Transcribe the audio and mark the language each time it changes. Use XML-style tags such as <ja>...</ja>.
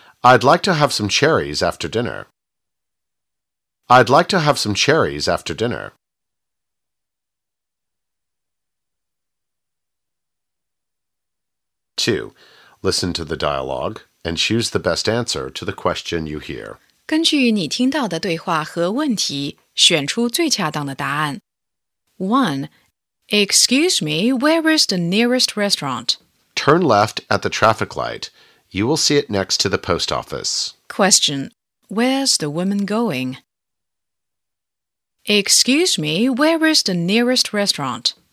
<en>I'd like to have some cherries after dinner. I'd like to have some cherries after dinner. 2. Listen to the dialogue. And choose the best answer to the question you hear.</en> <zh>根据你听到的对话和问题，选出最恰当的答案。</zh> <en>1. Excuse me, where is the nearest restaurant? Turn left at the traffic light. You will see it next to the post office. Question. Where's the woman going? Excuse me, where is the nearest restaurant?</en>